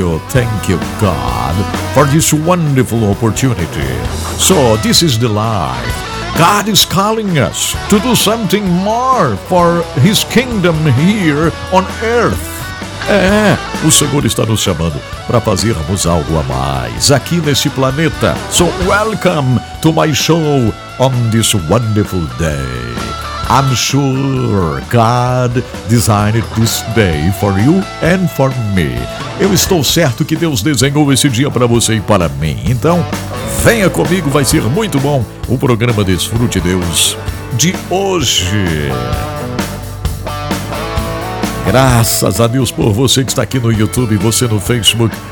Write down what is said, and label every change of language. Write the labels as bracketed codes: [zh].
[en] Thank you, God, for this wonderful opportunity. So, this is the life. God is calling us to do something more for His kingdom here on earth. [pt] É, o Senhor está nos chamando para fazermos algo a mais aqui nesse planeta. [en] So, welcome to my show on this wonderful day. I'm sure God designed this day for you and for me. [pt] Eu estou certo que Deus desenhou esse dia para você e para mim. Então, venha comigo, vai ser muito bom o programa Desfrute Deus de hoje. Graças a Deus por você que está aqui no YouTube, você no Facebook.